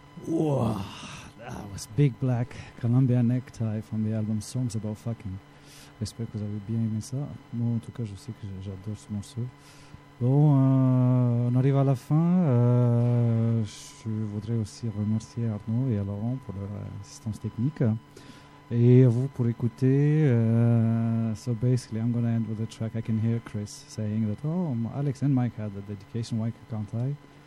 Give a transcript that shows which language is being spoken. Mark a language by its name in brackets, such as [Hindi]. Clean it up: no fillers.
[English] That was Big Black Columbia Necktie from the album Songs About Fucking. [French] J'espère que vous avez bien aimé ça. Moi, en tout cas, je sais que j'adore ce morceau. Bon, on arrive à la fin. Je voudrais aussi remercier Arnaud et Laurent pour leur assistance technique. Et vous pour écouter. [English] So basically, I'm going to end with a track I can hear Chris saying that, oh, Alex and Mike had the dedication, why can't I?